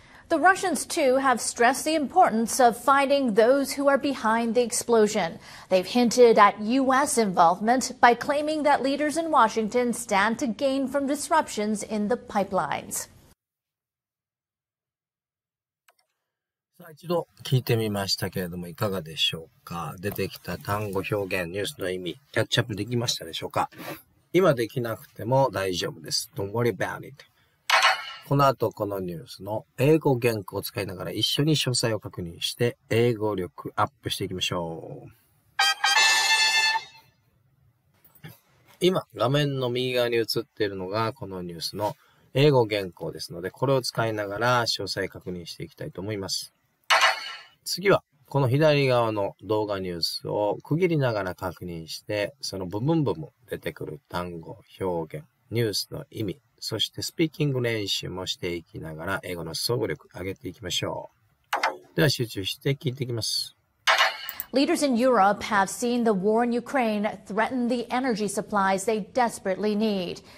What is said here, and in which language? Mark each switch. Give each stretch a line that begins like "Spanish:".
English: The Russians, too, have stressed the importance of finding those who are behind the explosion. They've hinted at U.S. involvement by claiming that leaders in Washington stand to gain from disruptions in the pipelines.
Japanese: 一度聞いてみましたけれども、いかがでしょうか。出てきた単語表現、ニュースの意味、キャッチアップできましたでしょうか。今できなくても大丈夫です。
English: Don't worry about it。
Japanese: この後このニュースの英語原稿を使いながら一緒に詳細を確認して英語力アップしていきましょう。今画面の右側に映っているのがこのニュースの英語原稿ですので、これを使いながら詳細確認していきたいと思います。次はこの左側の動画ニュースを区切りながら確認して、その部分部分出てくる単語表現、ニュースの意味、そしてスピーキング練習もしていきながら英語の総合力上げていきましょう。では集中して聞いていきます。
English: Leaders in Europe have seen the war in Ukraine threaten the energy supplies they desperately need.